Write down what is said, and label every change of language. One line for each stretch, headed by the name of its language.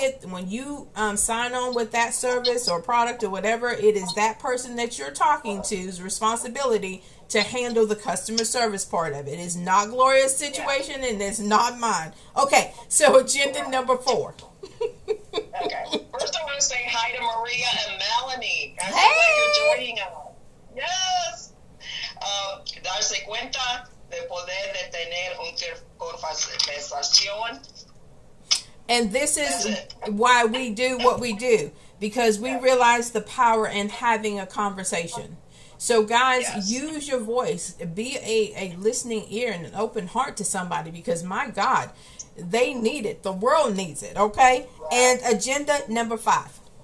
English: When you sign on with that service or product or whatever, it is that person that you're talking to's responsibility to handle the customer service part of it. It is not Gloria's situation and it's not mine. Okay, so agenda number four. Okay. First, I want to say hi to Maria and Melanie.
Spanish: Gracias por
English: joining us. Yes.
Spanish: Darse cuenta de poder de tener un conversación.
English: And this is why we do what we do, because we realize the power in having a conversation. So, guys, use your voice. Be a listening ear and an open heart to somebody, because my God, they need it. The world needs it, okay? Right. And agenda number five.